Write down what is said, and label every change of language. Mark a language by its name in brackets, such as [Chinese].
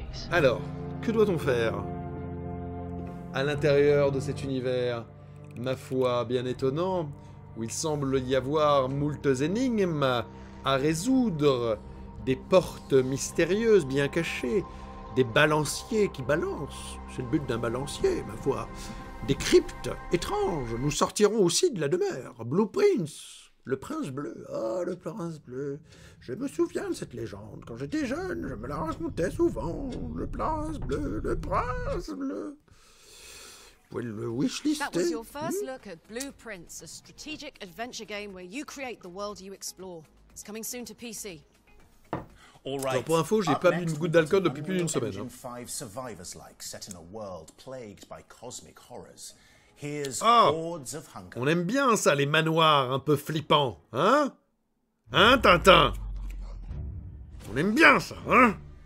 [French] Alors, que doit-on faire à l'intérieur de cet univers, ma foi, bien étonnant, où il semble y avoir moult énigmes à résoudre, des portes mystérieuses bien cachées, des balanciers qui balancent, c'est le but d'un balancier, ma foi, des cryptes étranges, nous sortirons aussi de la demeure, Blue Prince, le prince bleu, oh le prince bleu. Je me souviens de cette légende. Quand j'étais jeune, je me la racontais souvent. Le prince bleu, le prince bleu. Vous pouvez le wishlister. [English] That was your first look at Blue Prince, a strategic adventure game where you create the world you explore. It's coming soon to PC. All right. [French] Alors pour info, j'ai pas bu une goutte d'alcool depuis plus d'une semaine. Hein. [English] Five survivors like set in a world plagued by cosmic horrors. Here's Hordes of Hunger. [French] On aime bien ça, les manoirs un peu flippants, hein? Hein, Tintin? On aime bien ça, hein?